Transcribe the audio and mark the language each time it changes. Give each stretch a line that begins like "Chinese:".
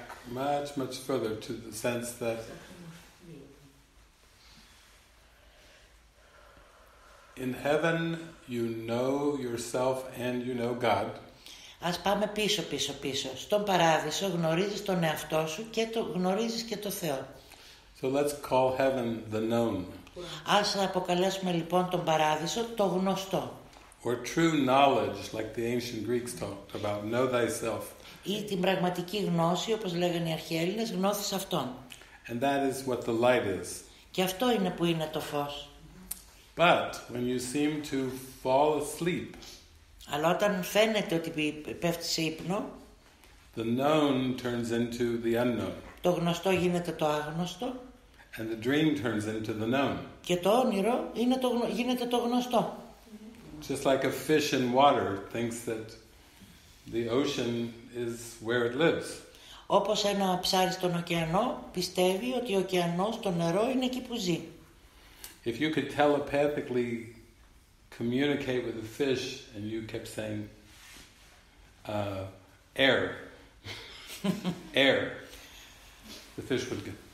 English: much, much further to the sense that in heaven you know yourself and you know God.
Greek: Ας πάμε πίσω. Στον παράδεισο γνωρίζεις τον εαυτό σου και το γνωρίζεις και το Θεό.
English: So let's call heaven the known.
Greek: Ας αποκαλέσουμε λοιπόν τον παράδεισο το γνωστό.
English: Or true knowledge, like the ancient Greeks talked about, know thyself.
Greek: Ή την πραγματική γνώση, όπως λέγανε οι αρχαίοι Έλληνες, γνώθεις αυτόν.
English: And that is what the light is.
Greek: Και αυτό είναι που είναι το φως.
English: But when you seem to fall asleep.
Greek: Αλλά όταν φαίνεται ότι πέφτει σε ύπνο,
English: the known turns into the unknown.
Greek: Το γνωστό γίνεται το άγνωστο.
English: And the dream turns into the known.
Greek: Και το όνειρο είναι το, γίνεται το γνωστό.
English: Just like a fish in water thinks that the ocean is where it lives.
Greek: Όπως ένα ψάρι στον ωκεανό πιστεύει ότι ο ωκεανός, το νερό είναι εκεί που ζει.
English: If you could telepathically communicate with a fish and you kept saying air, air, the fish would go.